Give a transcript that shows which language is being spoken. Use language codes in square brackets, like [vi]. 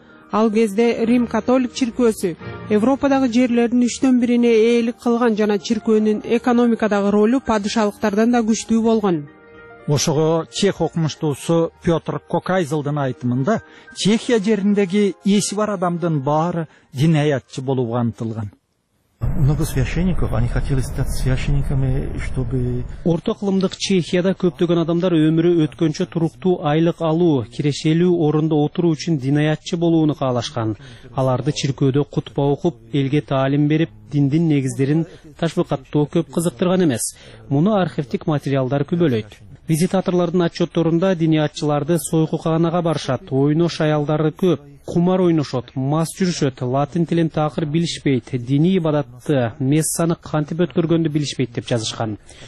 [ky] Ал кезде Рим католик чиркөөсү Европадагы жерлердин 1/3 ээлик кылган жана чиркөөнүн экономикадагы ролу падышалыктардан да күчтүү болгон. Ошого чех окумуштуусу Петр Кокайзылдын айтымында Чехия жериндеги эси бар адамдын баары дин аятчы болууга антылган. [ru] Много священников, они хотели стать священниками, чтобы... [ky] Орто кылымдык Чехияда көптөгөн адамдар өмүрү өткөнчө туруктуу айлык алуу, кирешелүү орундо отуруу үчүн дин аятчы болууну каалашкан. Аларды чиркөөдө кутпа окуп, элге таалим берип, диндин негиздерин ташвыкаттоо көп кызыктырган эмес. Муну архивтик материалдар күбөлөйт. Визитаторлордун отчеттерінде діни атчыларды сойку каанага барышат, ойнош аялдары көп, кумар ойношот, мас жүрүшөт, латин тилин такыр билишпейт, диний ибадатты, мессаны кантип өткөргөндү билишпейт деп жазышкан.